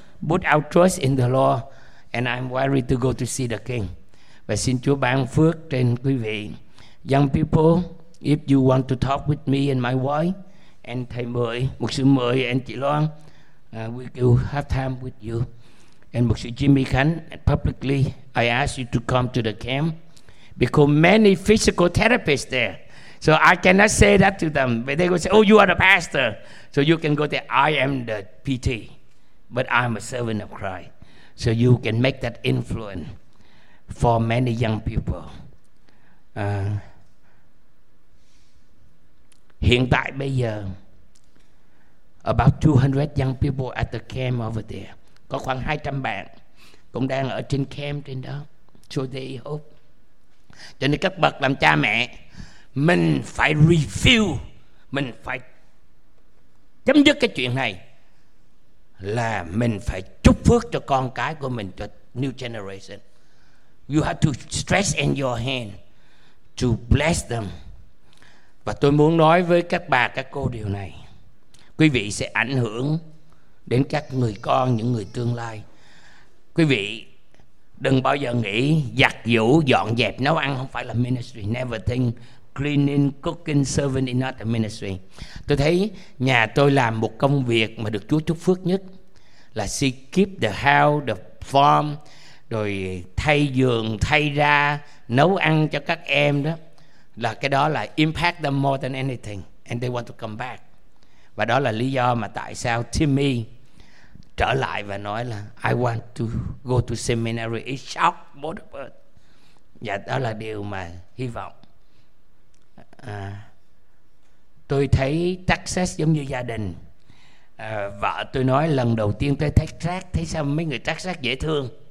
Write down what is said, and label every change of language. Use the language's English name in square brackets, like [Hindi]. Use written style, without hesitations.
[English] Put our trust in the Lord, and I'm ready to go to see the King. [Vietnamese] Và xin Chúa ban phước trên quý vị. [English] Young people, if you want to talk with me and my wife, and thầy Mười, mục sư Mười, and chị Loan, we will have time with you. And mục sư Jimmy Khánh, and publicly, I ask you to come to the camp, because many physical therapists there. So I cannot say that to them. But they will say, oh, you are the pastor. So you can go there. I am the PT. But I'm a servant of Christ. So you can make that influence for many young people. [Vietnamese] Hiện tại bây giờ, [English] about 200 young people at the camp over there. [Vietnamese] Có khoảng 200 bạn cũng đang ở trên camp trên đó. [English] So they hope. [Vietnamese] Cho nên các bậc làm cha mẹ, mình phải review, mình phải chấm dứt cái chuyện này, là mình phải chúc phước cho con cái của mình, cho [English] new generation. You have to stretch in your hand to bless them. [Vietnamese] Và tôi muốn nói với các bà, các cô điều này. Quý vị sẽ ảnh hưởng đến các người con, những người tương lai. Quý vị đừng bao giờ nghĩ giặt giũ, dọn dẹp, nấu ăn không phải là ministry. [English] Never think cleaning, cooking, serving is not a ministry. [Vietnamese] Tôi thấy nhà tôi làm một công việc mà được Chúa chúc phước nhất. là [English] she keep the house, the farm, [Vietnamese] rồi thay giường, thay ra, nấu ăn cho các em đó. Là cái đó là [English] impact them more than anything, and they want to come back. [Vietnamese] Và đó là lý do mà tại sao Timmy trở lại và nói là [English] I want to go to seminary. It shocked both of us. [Vietnamese] Và đó là điều mà hy vọng. Tôi thấy Texas giống như gia đình. Vợ tôi nói lần đầu tiên tới Texas, thấy sao mấy người Texas dễ thương.